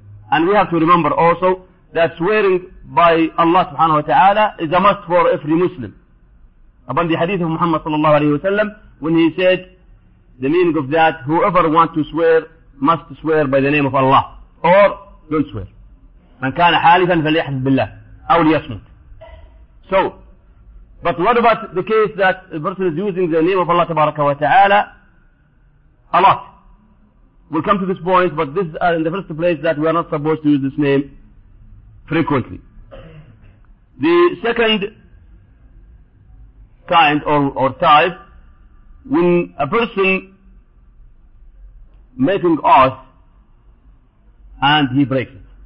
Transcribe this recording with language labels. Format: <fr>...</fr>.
<en>And we have to remember also that swearing by Allah subhanahu wa ta'ala is a must for every Muslim. Upon the hadith of Muhammad sallallahu alayhi wa sallam, when he said, the meaning of that, whoever wants to swear must swear by the name of Allah, or don't swear.</en> <ar>من كان حالفا فليحلف بالله أو ليصمت.</ar> <en>So, but what about the case that a person is using the name of Allah تبارك وتعالى a lot? We'll come to this point, but this is in the first place that we are not supposed to use this name frequently. The second kind or type, when a person making oath and he breaks it.</en>